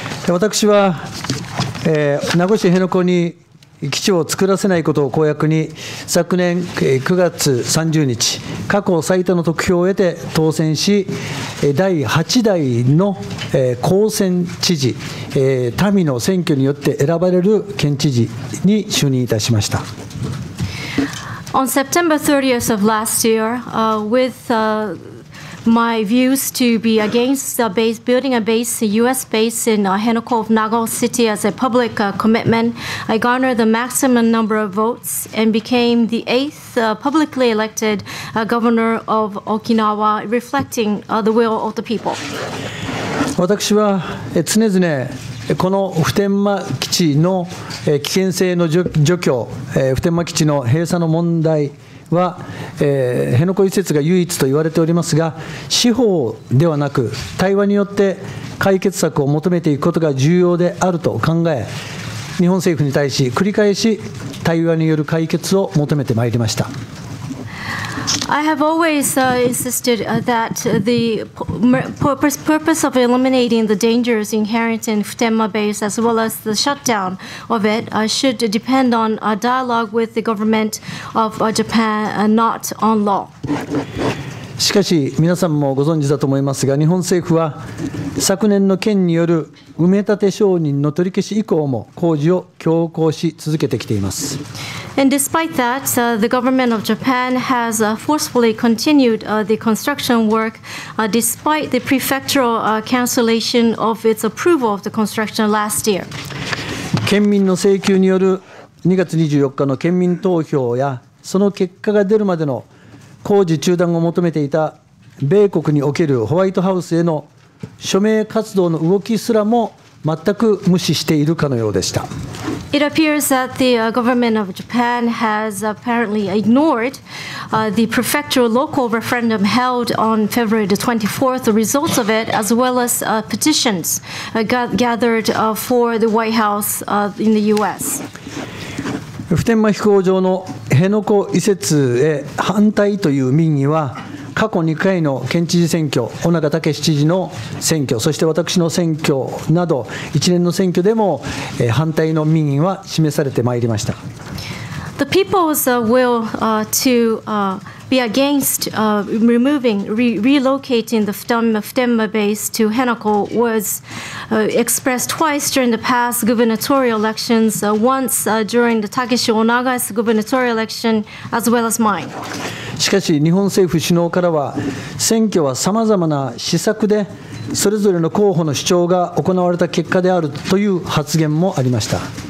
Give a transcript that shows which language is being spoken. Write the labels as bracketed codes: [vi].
[ja] 私は、名護市辺野古に基地を作らせないことを公約に、昨年9月30日過去最多の得票を得て当選し、第8代の公選知事、民の選挙によって選ばれる県知事に就任いたしました。 [en] On September 30th of last year, with my views to be against the base, building a base, a U.S. base in Henoko of Nagao City as a public commitment, I garnered the maximum number of votes and became the eighth publicly elected governor of Okinawa, reflecting the will of the people. [ja] 私は常々この普天間基地の危険性の除去、普天間基地の閉鎖の問題は、辺野古移設が唯一と言われておりますが、司法ではなく対話によって解決策を求めていくことが重要であると考え、日本政府に対し繰り返し対話による解決を求めてまいりました。 [en] I have always insisted that the purpose of eliminating the dangers inherent in Futenma base as well as the shutdown of it should depend on a dialogue with the government of Japan and not on law. [ja] しかし皆さんもご存知だと思いますが、日本政府は昨年の県による埋め立て承認の取り消し以降も工事を強行し続けてきています。 [en] And despite that, the government of Japan has forcefully continued the construction work despite the prefectural cancellation of its approval of the construction last year. [ja] 県民の請求による2月24日の県民投票や、その結果が出るまでの工事中断を求めていた米国におけるホワイトハウスへの署名活動の動きすらも全く無視しているかのようでした。 [en] It appears that the government of Japan has apparently ignored the prefectural local referendum held on February the 24th, the results of it, as well as petitions gathered for the White House in the U.S. [ja] 普天間飛行場の辺野古移設へ反対という民意は、過去2回の県知事選挙、尾長武知事の選挙、そして私の選挙など、一連の選挙でも反対の民意は示されてまいりました。 [en] The people's will to be against removing, relocating the Futenma base to Henoko was expressed twice during the past gubernatorial elections, once during the Takeshi Onaga's gubernatorial election, as well as mine. [ja] しかし日本政府首脳からは、選挙はさまざまな施策でそれぞれの候補の主張が行われた結果であるという発言もありました。